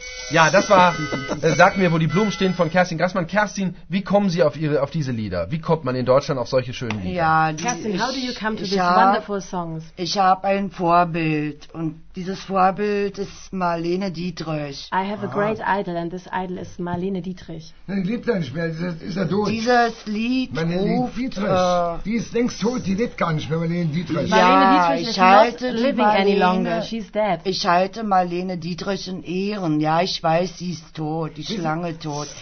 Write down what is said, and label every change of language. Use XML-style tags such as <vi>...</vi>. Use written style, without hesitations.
<de>Ja, das war Sag mir, wo die Blumen stehen von Kerstin Grassmann. Kerstin, wie kommen Sie auf diese Lieder? Wie kommt man in Deutschland auf solche schönen Lieder? Ja,</de> <en>Kerstin, how do you come to these wonderful songs?</en> <de>Ich habe ein Vorbild und dieses Vorbild ist Marlene Dietrich.</de> <en>I have a great idol and this idol is Marlene Dietrich.</en> <de>Nein, die lebt ja nicht mehr, ist ja tot. Dieses Lied Marlene ruft, die ist längst tot, die lebt gar nicht mehr, Marlene Dietrich.</de> <en>Ja, Marlene Dietrich ist not living any longer, she's dead.</en> <de>Ich halte Marlene Dietrich in Ehren, ja, ich weiß, sie ist tot, die Schlange tot.</de>